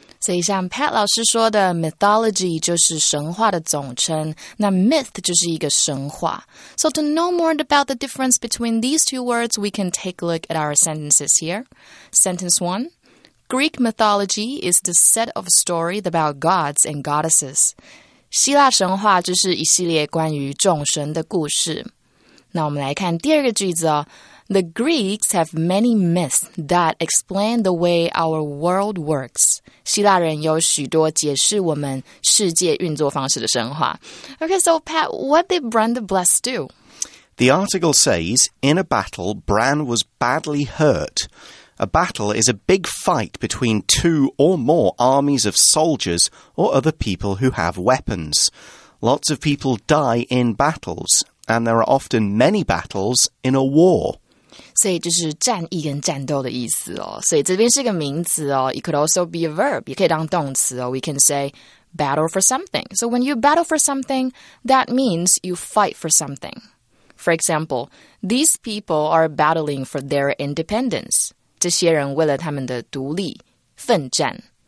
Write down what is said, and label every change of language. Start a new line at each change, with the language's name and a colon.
Chinese: 所以像 Pat 老师说的 mythology 就是神话的总称，那 myth 就是一个神话。
English: So to know more about the difference between these two words, we can take a look at our sentences here. Sentence 1. Greek mythology is the set of stories about gods and goddesses.
Chinese: 希腊神话就是一系列关于众神的故事。那我们来看第二个句子哦。
English: The Greeks have many myths that explain the way our world works.
Chinese: 希腊人有许多解释我们世界运作方式的神话。
English: Okay, so Pat, what did Bran the Blessed do? The article says, in a battle, Bran was badly hurt. A battle is a big fight between two or more armies of soldiers or other people who have weapons. Lots of people die in battles, and there are often many battles in a war.
Chinese: 所以就是战役跟战斗的意思哦。所以这边是个名词哦。
English: It could also be a verb.
Chinese: 也可以当动词哦。
English: We can say battle for something. So when you battle for something, that means you fight for something. For example, these people are battling for their independence.
Chinese: 这些人为了他们的独立奋战。